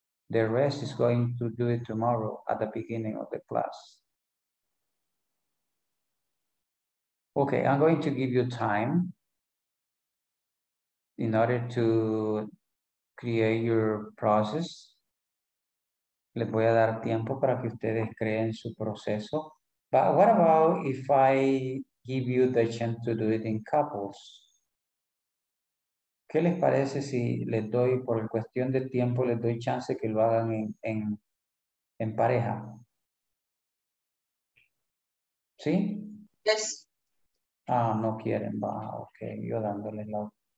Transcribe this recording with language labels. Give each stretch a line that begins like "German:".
English: The rest is going to do it tomorrow at the beginning of the class. Okay, I'm going to give you time in order to create your process.
Spanish: Les voy a dar tiempo para que ustedes creen su proceso.
English: But what about if I give you the chance to do it in couples?
Spanish: ¿Qué les parece si les doy, por cuestión de tiempo, les doy chance que lo hagan en pareja? ¿Sí?
English: Yes.
Spanish: Ah, no quieren, va, ok, yo dándoles la.